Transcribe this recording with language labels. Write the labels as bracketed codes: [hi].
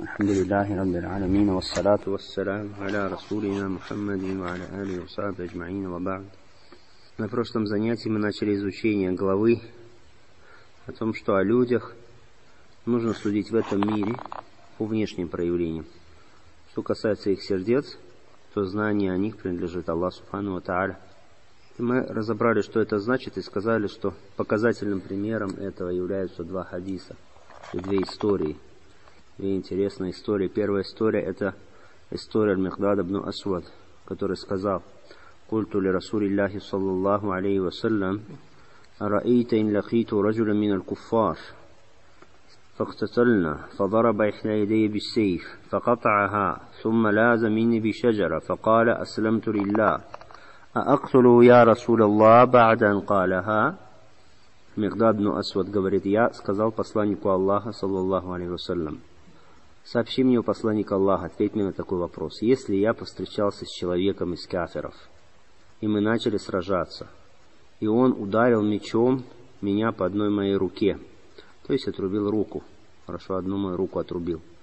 [ar] الحمد لله رب العالمين، والصلاة والسلام على رسولنا محمد وعلى آله وصحبه أجمعين، وبعد. [ru] На прошлом занятии мы начали изучение главы о том, что о людях нужно судить в этом мире по внешним проявлениям. Что касается их сердец, то знание о них принадлежит Аллаху Субхану ва Тааля. Мы разобрали, что это значит, и сказали, что показательным примером этого являются два хадиса. Две истории. Две интересные истории. Первая история — это история Аль-Миқдад ибн Асвад, который сказал: [ar] قلت لرسول الله صلى الله عليه وسلم أرأيت إن لقيت رجلا من الكفار فاقتتلنا فضرب إحدى يدي بالسيف فقطعها ثم لاز مني بشجرة فقال أسلمت لله أأقتله يا رسول الله بعد أن قالها. [ru] Миқдад ибн Асвад говорит: я сказал посланнику Аллаха, саллаллаху алейхи вассалям, сообщи мне, посланник Аллаха, ответь мне на такой вопрос: если я повстречался с человеком из кафиров, и мы начали сражаться, и он ударил мечом меня по одной моей руке, то есть отрубил руку, хорошо, одну мою руку отрубил,